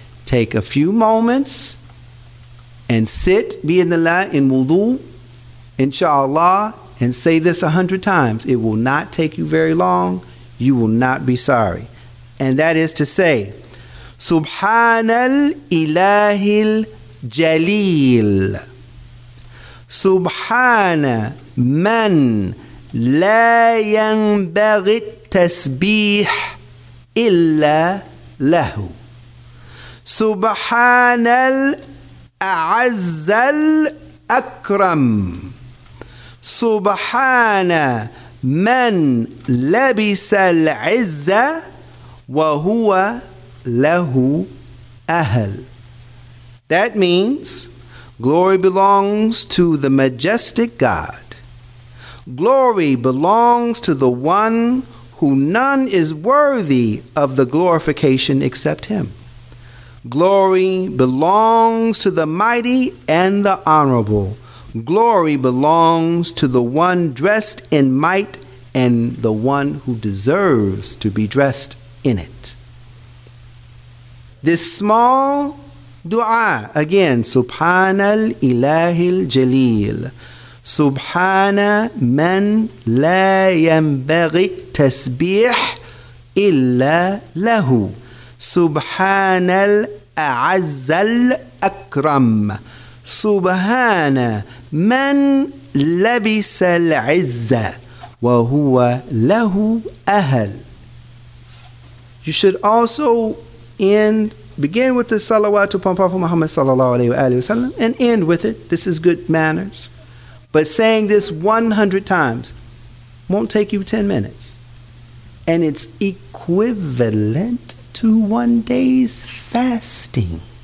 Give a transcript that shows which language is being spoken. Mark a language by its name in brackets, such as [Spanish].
[English] Take a few moments and sit, bi'idhnillah, in wudu, inshallah, and say this 100 times. It will not take you very long. You will not be sorry. And that is to say, [Arabic] Subhanal ilahil jaleel. Subhana man لا ينبغي التسبيح إلا له سبحان الأعز الأكرم سبحان من لبس العز وهو له أهل. [English] That means glory belongs to the majestic God. Glory belongs to the one who none is worthy of the glorification except him. Glory belongs to the mighty and the honorable. Glory belongs to the one dressed in might and the one who deserves to be dressed in it. This small dua, again, Subhan al-Ilahil Jalil. [Arabic] سبحان من لا ينبغي التسبيح إلا له سبحان الأعز الأكرم سبحان من لبس العزة وهو له أهل. [English] You should also begin with the salawat upon Prophet Muhammad sallallahu alayhi wa sallam and end with it. This is good manners. But saying this 100 times won't take you 10 minutes. And it's equivalent to one day's fasting.